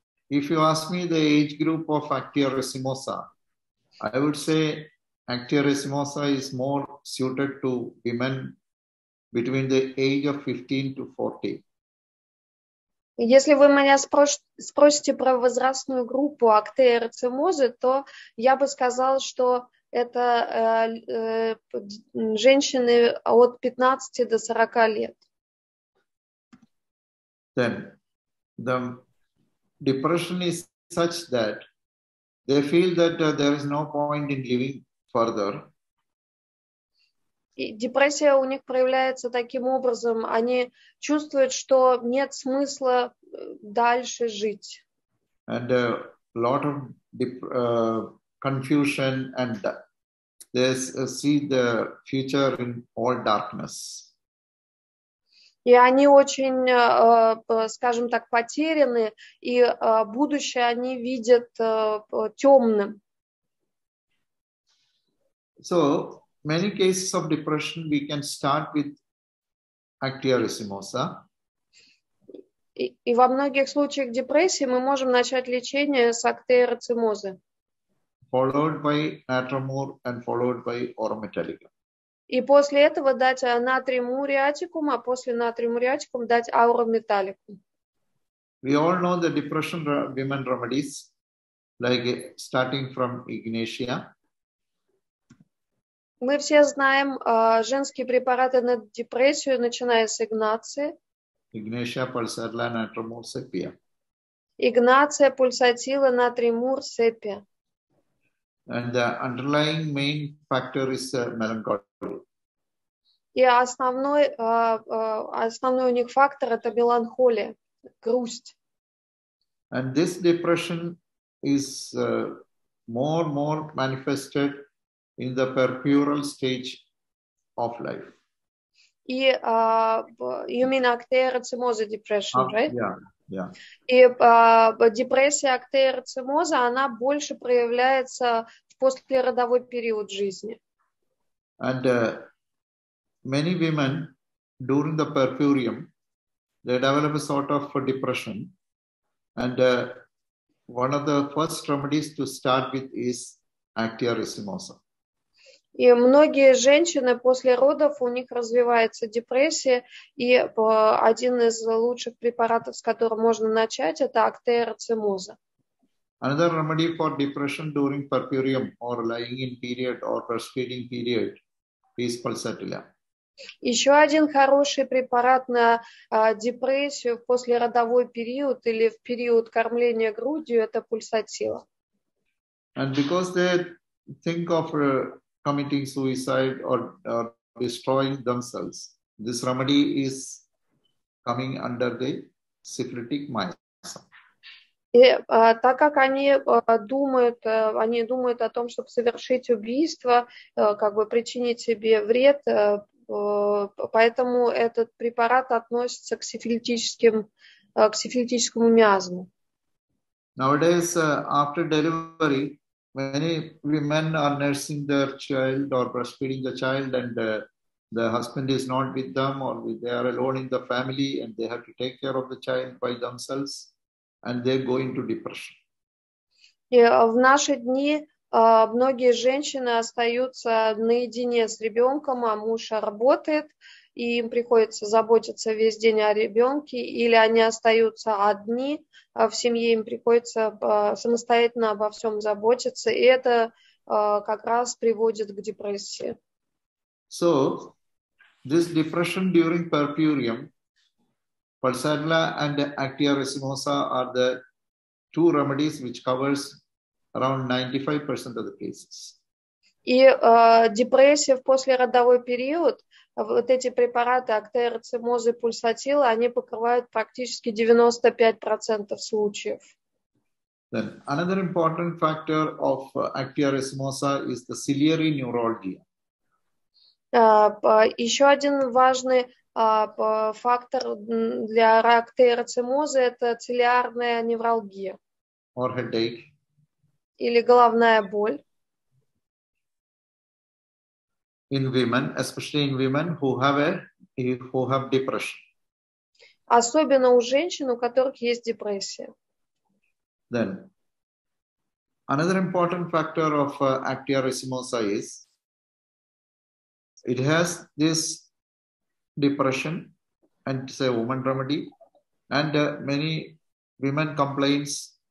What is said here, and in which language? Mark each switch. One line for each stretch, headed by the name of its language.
English: If you ask me the age group of Actia racemosa, I would say Actia racemosa is more suited to women between the age of 15 to 40.
Russian: Если вы меня спросите про возрастную группу Actia racemosa, то я бы сказал, что это женщины от 15 до 40 лет.
English: Then the depression is such that they feel that there is no point in living further.
Russian: И депрессия у них проявляется таким образом. Они чувствуют, что нет смысла дальше жить.
English: And a lot of confusion and they see the future in all darkness.
Russian: И они очень, скажем так, потеряны, и будущее они видят темным.
English: So, many cases of depression we can start with Actia racemosa.
Russian: И во многих случаях депрессии мы можем начать лечение с Actia racemosa.
English: Followed by Natremor and followed by Aurum metallicum.
Russian: И после этого дать натримуриатикум, а после натримуриатикум дать Aurum metallicum.
English: We all know the depression women remedies, like starting from Ignatia.
Russian: Мы все знаем женские препараты на депрессию, начиная с Игнации.
English: Ignatia, Pulsatilla, Natremor, Sepia.
Russian: Игнация, Пульсатила, Натремор, Сепия.
English: And the underlying main factor is melancholy.
Russian: И основной у них фактор это меланхолия, грусть.
English: And this depression is more manifested in the puerperal stage of life.
Russian: И
English: you mean Actia racemosa depression, right? Yeah.
Russian: И депрессия Actia racemosa, она больше проявляется после родовой период жизни.
English: And many women during the puerperium they develop a sort of depression, and one of the first remedies to start with is Actia racemosa.
Russian: И многие женщины после родов у них развивается депрессия, и один из лучших препаратов, с которым можно начать, это Actia racemosa.
English: Another remedy for depression during puerperium or lying in period or breastfeeding period is Pulsatilla.
Russian: Еще один хороший препарат на депрессию в послеродовой период или в период кормления грудью – это пульсатила.
English: And because they think of committing suicide or destroying themselves, this remedy is coming under the syphilitic mice.
Russian: И так как они думают о том, чтобы совершить убийство, как бы причинить себе вред, поэтому этот препарат относится к сифилитическому миазму.
English: Nowadays, after delivery, many women are nursing their child or breastfeeding the child, and the husband is not with them, or they are alone in the family, and they have to take care of the child by themselves. And they go into depression.
Russian: И в наши дни многие женщины остаются наедине с ребенком, а муж работает, и им приходится заботиться весь день о ребенке, или они остаются одни в семье, им приходится самостоятельно обо всем заботиться, и это как раз приводит к депрессии.
English: So, this depression during perpurium, Pulsatilla and Actia racemosa are the two remedies which covers around 95% of the cases.
Russian: И депрессия в послеродовой период, вот эти препараты Actia racemosa и Pulsatilla, они покрывают практически 95% случаев.
English: Then another important factor of Actia racemosa is the ciliary neuralgia.
Russian: Еще один важный фактор для рака эрцимозы – это цилиарная невралгия.
English: Or headache.
Russian: Или головная боль.
English: In women, especially in women who have depression.
Russian: Особенно у женщин, у которых есть депрессия.
English: Then, another important factor of actia racemosa is it has this depression and say woman remedy, and many women complaints.